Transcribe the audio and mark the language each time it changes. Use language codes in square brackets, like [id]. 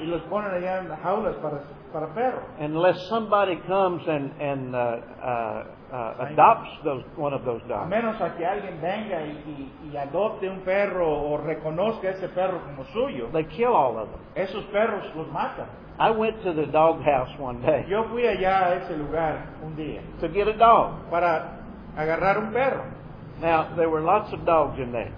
[es] Y los ponen allá en jaulas para perros. [en] Unless somebody comes and adopts one of those dogs. [es] A menos a que alguien venga y adopte un perro o reconozca ese perro como suyo. [en] They kill all of them. [es] Esos perros los matan. [en] I went to the dog house one day. [es] Yo fui allá a ese lugar un día. [en] To get a dog. [es] Para agarrar un perro. [en] Now, there were lots of dogs in there.